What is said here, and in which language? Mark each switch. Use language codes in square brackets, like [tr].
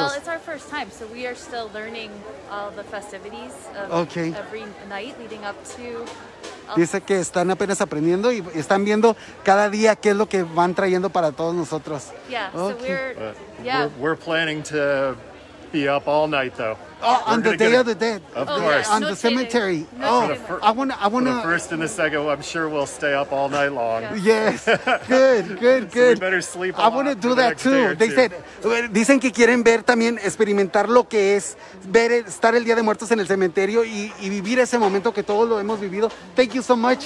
[en] Well, it's our first time, so we are still learning all the festivities every night leading up to... [es] Dice que están apenas aprendiendo y están viendo cada día qué es lo que van trayendo para todos nosotros. [en] Yeah, okay. So we're We're planning to be up all night though. Oh, on the Day of the Dead. Of course. Yeah, on the cemetery. For the first and the second, I'm sure we'll stay up all night long. Yeah. Yes. Good. So we better sleep. I want to do that too. They said, [es] dicen que quieren ver también, experimentar lo que es ver estar el Día de Muertos en el cementerio y vivir ese momento que todos lo hemos vivido. [en] Thank you so much.